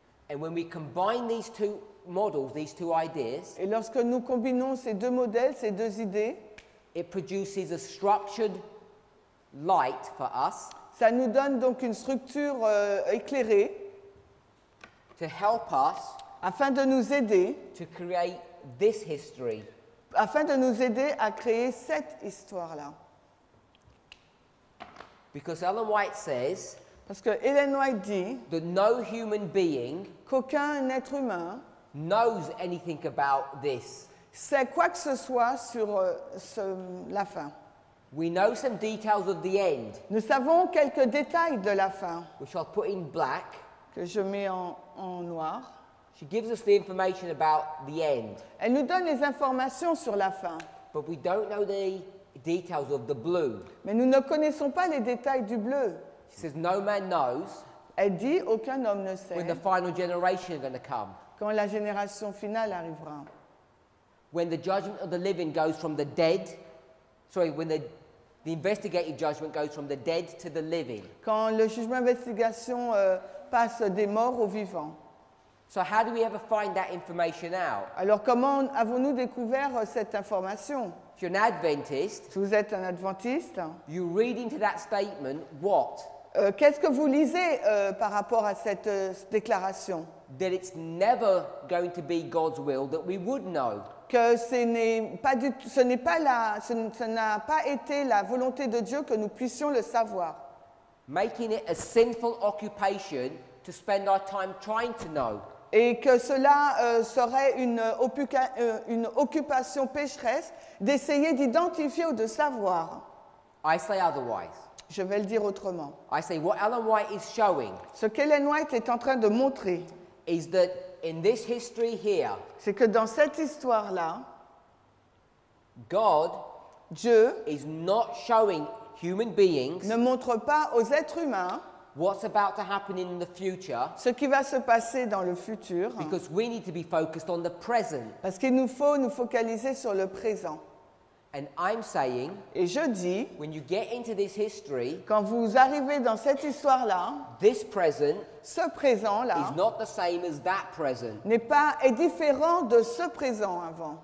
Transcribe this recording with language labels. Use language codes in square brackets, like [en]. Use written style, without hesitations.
[en] And when we combine these two models, these two ideas, [fr] et lorsque nous combinons ces deux modèles, ces deux idées, [en] it produces a structured light for us. [fr] Ça nous donne donc une structure éclairée [en] to help us [fr] afin de nous aider [en] to create this history. [fr] Afin de nous aider à créer cette histoire-là. [en] Because Ellen White says, [fr] parce que Ellen White dit, [en] that no human being, [fr] qu'aucun être humain, [en] knows anything about this. [fr] Sait quoi que ce soit sur la fin. [en] We know some details of the end. [fr] Nous savons quelques détails de la fin. [en] Which I'll put in black. [fr] Que je mets en noir. [en] She gives us the information about the end. [fr] Elle nous donne les informations sur la fin. [en] But we don't know the details of the blue. [fr] Mais nous ne connaissons pas les détails du bleu. [en] She says no man knows. [fr] Elle dit aucun homme ne sait. [en] When the final generation is going to come. [fr] Quand la génération finale arrivera. [en] When the judgment of the living goes from the dead. Sorry, when the investigative judgment goes from the dead to the living. [fr] Quand le jugement d'investigation passe des morts aux vivants. [en] So how do we ever find that information out? [fr] Alors comment avons-nous découvert cette information? [en] If you're an Adventist, [fr] si vous êtes un adventiste, [en] you read into that statement what? [fr] Qu'est-ce que vous lisez par rapport à cette déclaration? [en] That it's never going to be God's will that we would know. [fr] Que ce n'a pas été la volonté de Dieu que nous puissions le savoir. [en] Making it a sinful occupation to spend our time trying to know. [fr] Et que cela serait une occupation pécheresse d'essayer d'identifier ou de savoir. [en] I say otherwise. [fr] Je vais le dire autrement. [en] I say what Ellen White is showing. [fr] Ce qu'Ellen White est en train de montrer. [en] Is that in this history here? [fr] C'est que dans cette histoire là. [en] God. [fr] Dieu. [en] Is not showing human beings. [fr] Ne montre pas aux êtres humains. [en] What's about to happen in the future? [fr] Ce qui va se passer dans le futur. [en] Because we need to be focused on the present. [fr] Parce qu'il nous faut nous focaliser sur le présent. [en] And I'm saying, [fr] et je dis, [en] when you get into this history, [fr] quand vous arrivez dans cette histoire-là, [en] this present, [fr] ce présent-là, [en] is not the same as that present. [fr] N'est pas, est différent de ce présent avant.